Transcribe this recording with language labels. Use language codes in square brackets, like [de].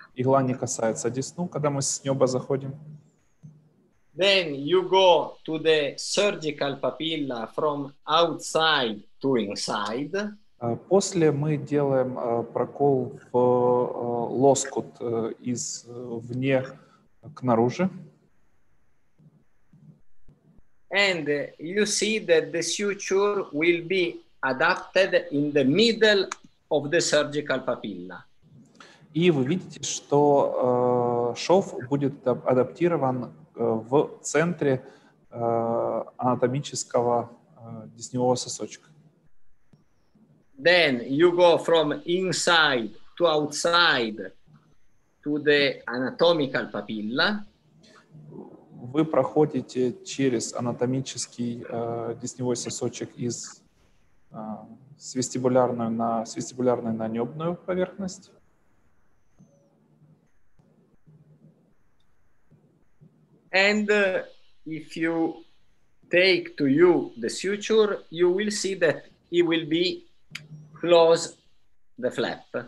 [ru] Игла не касается десну, когда мы с нёба заходим. [en] Then you go to the surgical papilla from outside to inside. [ru] После мы делаем прокол в лоскут из вне к наружу. [en] And you see that the suture will be adapted in the middle of the surgical papilla. [ru] И вы видите, что шов будет адаптирован в центре анатомического десневого сосочка. [en] Then you go from inside to outside to the anatomical papilla. [ru] Вы проходите через анатомический десневой сосочек из с вестибулярной на нёбную поверхность. [en] And if you take to you the suture, you will see that it will be close the flap.